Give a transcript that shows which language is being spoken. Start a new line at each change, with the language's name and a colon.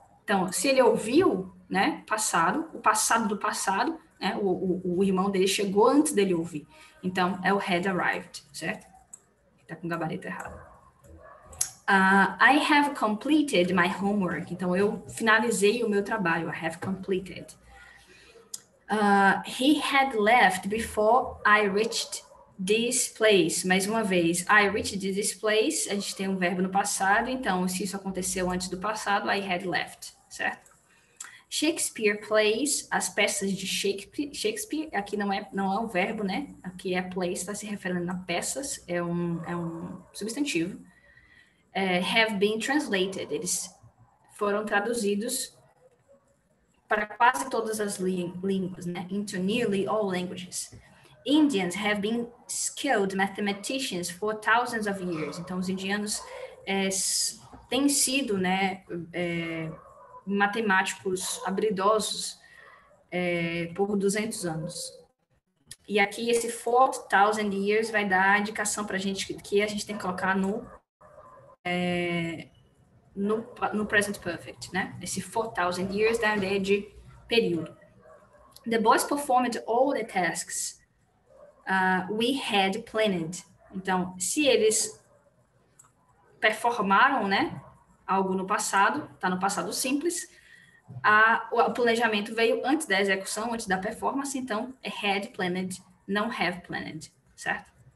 Portuguese: Então, se ele ouviu, né? Passado, o passado do passado, né? O irmão dele chegou antes dele ouvir. Então, é o
English: had arrived,
Portuguese: certo? Tá com o gabarito errado.
English: I have completed my homework.
Portuguese: Então, eu finalizei o meu trabalho.
English: I have completed. He had left before I reached this place.
Portuguese: Mais uma vez.
English: I reached this place.
Portuguese: A gente tem um verbo no passado. Então, se isso aconteceu antes do passado,
English: I had left.
Portuguese: Certo?
English: Shakespeare plays.
Portuguese: As peças de Shakespeare. Aqui não é um verbo, né? Aqui é place. Está se referindo a peças. É um substantivo.
English: Have been translated.
Portuguese: Eles foram traduzidos para quase todas as línguas, né?
English: Into nearly all languages. Indians have been skilled mathematicians for thousands of years.
Portuguese: Então, os indianos têm sido, né, matemáticos habilidosos por 200 anos. E aqui, esse
English: 4,000 years
Portuguese: vai dar indicação para a gente que a gente tem que colocar no present perfect, né? Esse
English: 4,000 years
Portuguese: da ideia de período. The boys performed all the tasks we had planned. Então, se eles performaram, né, algo no passado, tá no passado simples, o planejamento veio antes da execução, antes da performance, então é
English: had planned,
Portuguese: não
English: have planned,
Portuguese: certo?